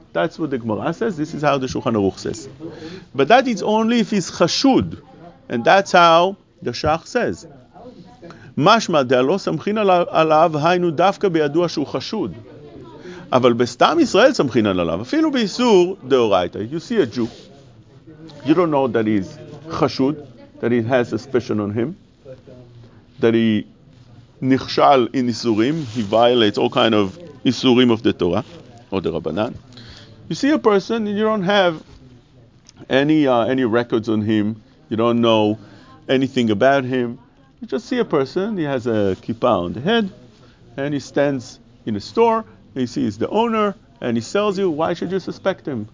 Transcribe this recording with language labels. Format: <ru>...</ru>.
<en>That's what the Gemara says, this is how the Shulchan Aruch says. But that is only if he's חשוד, and that's how the Shach says.</en> <he>משמע דלא סמכין עליו, היינו דווקא בידוע שהוא חשוד. אבל בסתם ישראל סמכין עליו, אפילו באיסור דאורייתא.</he> <en>You see a Jew, you don't know that he's חשוד, that he has suspicion on him, that he נכשל in איסורים, he violates all kind of איסורים of the Torah, or the Rabbanan. You see a person, and you don't have any records on him, you don't know anything about him, you just see a person, he has a kippah on the head, and he stands in a store, he sees the owner, and he sells you, why should you suspect him?</en>